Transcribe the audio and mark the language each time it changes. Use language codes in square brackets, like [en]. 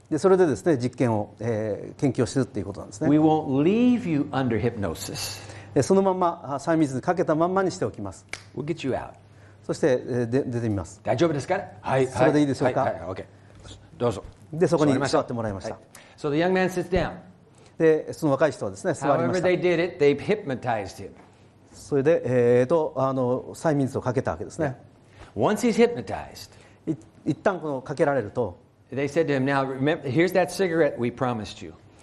[ja] でそれでですね、実験を、研究をするっていうことなんですね。 [en] We won't leave you under hypnosis. [ja] そのまま催眠術かけたまんまにしておきます。 [en] We'll get you out. [ja] そして、出てみます。大丈夫ですか？はい。それでいいでしょうか？はい。はい。OK。 どうぞ。でそこに座ってもらいました。 [en] So the young man sits down. [ja] でその若い人はですね、座りました。 [en] However they did it, they hypnotized him. [ja] それで、催眠術をかけたわけですね。 [en] Yeah. Once he's hypnotized, [ja] 一旦このかけられると、 [en] they said to him, now remember, here's that cigarette we promised you.